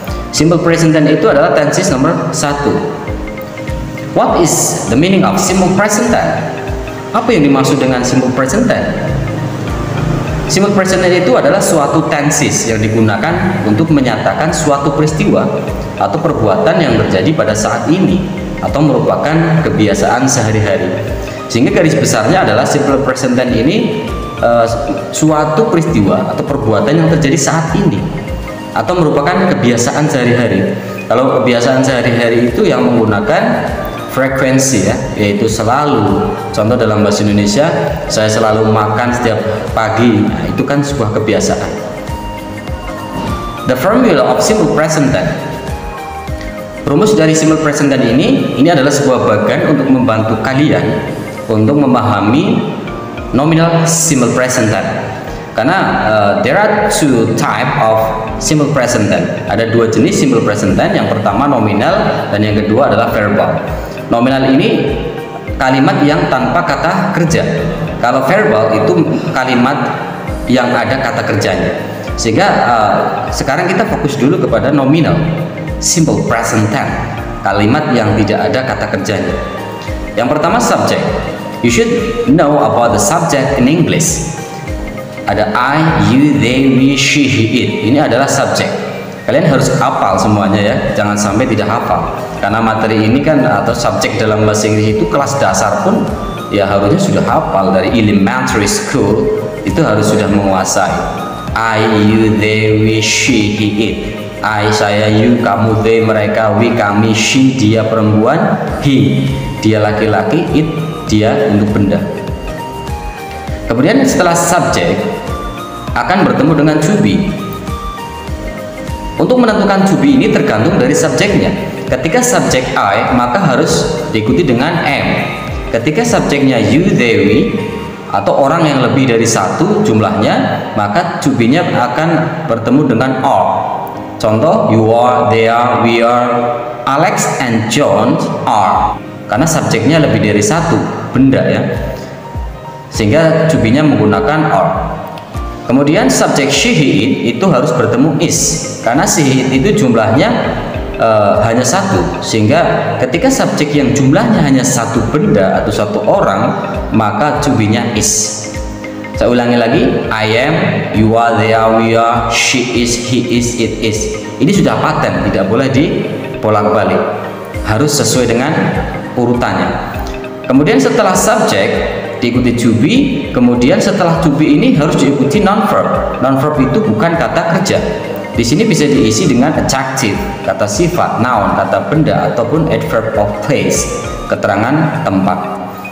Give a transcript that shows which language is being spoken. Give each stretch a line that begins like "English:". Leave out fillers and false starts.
Indonesian: Simple present tense itu adalah tenses nomor 1.
English: What is the meaning of simple present tense?
Indonesian: Apa yang dimaksud dengan simple present tense? Simple present tense itu adalah suatu tenses yang digunakan untuk menyatakan suatu peristiwa atau perbuatan yang terjadi pada saat ini atau merupakan kebiasaan sehari-hari. Sehingga garis besarnya adalah simple present tense ini suatu peristiwa atau perbuatan yang terjadi saat ini atau merupakan kebiasaan sehari-hari. Kalau kebiasaan sehari-hari itu yang menggunakan frekuensi ya, yaitu selalu. Contoh dalam bahasa Indonesia, saya selalu makan setiap pagi. Nah, itu kan sebuah kebiasaan.
English: The formula of simple present tense.
Indonesian: Rumus dari simple present tense ini adalah sebuah bagan untuk membantu kalian untuk memahami nominal simple present tense. Karena
English: there are two type of simple present tense.
Indonesian: Ada dua jenis simple present tense. Yang pertama nominal dan yang kedua adalah verbal. Nominal ini kalimat yang tanpa kata kerja. Kalau verbal itu kalimat yang ada kata kerjanya. Sehingga sekarang kita fokus dulu kepada nominal simple present tense, kalimat yang tidak ada kata kerjanya. Yang pertama subject.
English: You should know about the subject in English.
Indonesian: Ada
English: I, you, they, we, she, he, it.
Indonesian: Ini adalah subject. Kalian harus hafal semuanya ya, jangan sampai tidak hafal. Karena materi ini kan atau subjek dalam bahasa Inggris itu kelas dasar pun ya harusnya sudah hafal dari elementary school, itu harus sudah menguasai.
English: I, you, they, we, she, he, it. I,
Indonesian: saya,
English: you,
Indonesian: kamu,
English: they,
Indonesian: mereka,
English: we,
Indonesian: kami,
English: she,
Indonesian: dia, perempuan,
English: he,
Indonesian: dia, laki-laki,
English: it,
Indonesian: dia, untuk benda. Kemudian setelah subjek akan bertemu dengan to be. Untuk menentukan to be ini tergantung dari subjeknya. Ketika subjek I, maka harus diikuti dengan am. Ketika subjeknya you, they, we, atau orang yang lebih dari satu jumlahnya, maka to be-nya akan bertemu dengan are. Contoh,
English: you are, they are, we are, Alex and John are.
Indonesian: Karena subjeknya lebih dari satu benda ya. Sehingga to be-nya menggunakan are. Kemudian subjek she, he, it itu harus bertemu is. Karena she, he, it itu jumlahnya hanya satu, sehingga ketika subjek yang jumlahnya hanya satu benda atau satu orang, maka to be-nya is. Saya ulangi lagi,
English: I am, you are, they are, we are, she is, he is, it is.
Indonesian: Ini sudah paten, tidak boleh dipolak-balik. Harus sesuai dengan urutannya. Kemudian setelah subjek diikuti to be, kemudian setelah to be ini harus diikuti non-verb. Non-verb itu bukan kata kerja. Di sini bisa diisi dengan adjective, kata sifat, noun, kata benda, ataupun adverb of place, keterangan tempat.